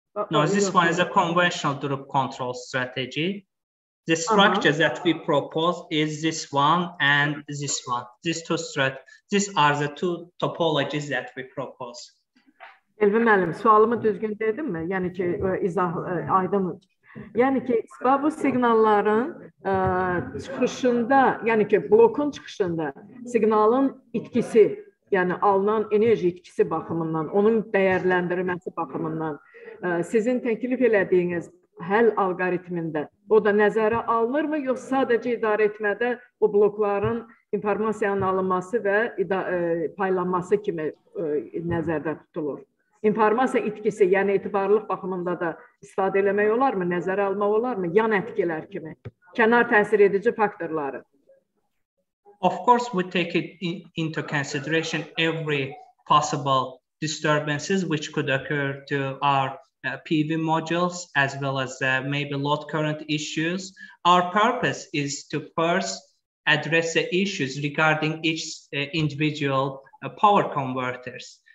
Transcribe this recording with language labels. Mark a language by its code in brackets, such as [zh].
[en] No, this one is a conventional drop control strategy. The structure that we propose is this one and this one. These two strat. These are the two topologies that we propose. [az] Elvin Məlim, sualımı düzgün dedim mi? Yəni ki, izah aydın. Yəni ki, bu signalların çıxışında, yəni ki, blokun çıxışında signalın itkisi, yəni alınan enerji itkisi baxımından, onun dəyərləndirilməsi baxımından sizin təklif elədiyiniz həll alqoritmində o da nəzərə alınır mı, yoxsa sadəcə idarə etmədə o blokların informasiyanın alınması və paylanması kimi nəzərdə tutulur? İnformasiya itkisi, yəni etibarlılıq baxımında da istifadə eləmək olar mı, nəzərə almaq olar mı, yan etkilər kimi, kənar təsir edici faktorları? [en] Of course, we take it into consideration every possible disturbances which could occur to our PV modules, as well as maybe load current issues. Our purpose is to first address the issues regarding each individual power converters.